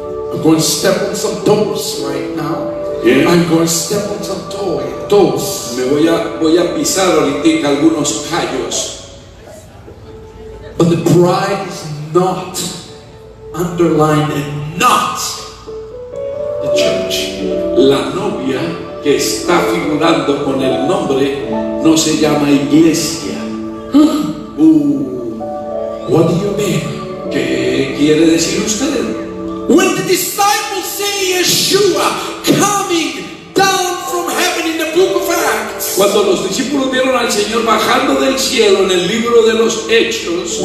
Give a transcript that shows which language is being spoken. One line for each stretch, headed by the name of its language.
English: I'm going to step on some toes right now. Yeah. I'm going to step on some toes.
Spanish: Me voy a pisar ahorita algunos callos.
English: But the pride is not underlined and not the church.
Spanish: La novia que está figurando con el nombre no se llama iglesia.
English: What do you mean?
Spanish: ¿Qué quiere decir usted?
English: When the disciples see Yeshua coming down from heaven in the book of Acts,
Spanish: cuando los discípulos vieron al Señor bajando del cielo en el libro de los Hechos,